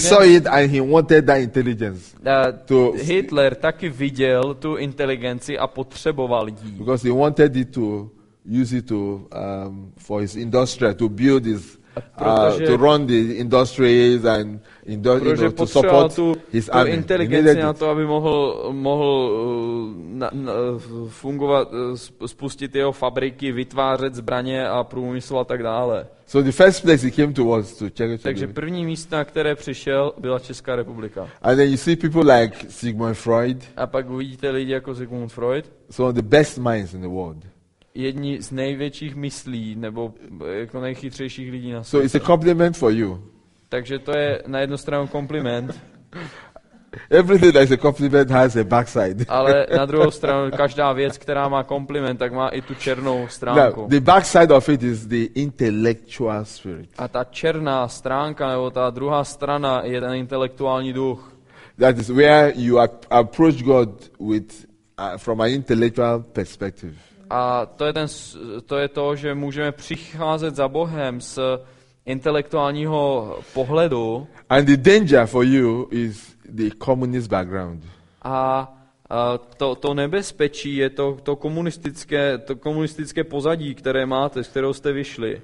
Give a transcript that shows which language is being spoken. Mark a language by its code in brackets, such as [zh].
[en] saw it and he wanted that intelligence. [cs] Hitler taky viděl tu inteligenci a potřeboval jí. [en] Because he wanted it to use it to for his industry, to build his to run the industries and to support his army. [cs] Protože potřeboval tu inteligenci na to, aby mohl fungovat, spustit jeho fabriky, vytvářet zbraně a průmysl a tak dále. [en] So the first place he came to was to Czech Republic. [cs] Takže první místo, na které přišel, byla Česká republika. [en] And then you see people like Sigmund Freud. [cs] A pak uvidíte lidi jako Sigmund Freud. [en] Some of the best minds in the world. [cs] Jedni z největších myslí nebo jako nejchytřejších lidí na světě. [en] So it's a compliment for you. [cs] Takže to je na jednu stranu kompliment. [en] Everything that is a compliment has a backside. [cs] Ale na druhou stranu každá věc, která má kompliment, tak má i tu černou stránku. [en] Now, the backside of it is the intellectual spirit. [cs] A ta černá stránka nebo ta druhá strana je ten intelektuální duch. [en] That is where you approach God with from an intellectual perspective. [cs] A to je to, že můžeme přicházet za Bohem s intelektuálního pohledu. [en] And the danger for you is the communist background. [cs] A to nebezpečí je to komunistické pozadí, které máte, z kterého jste vyšli.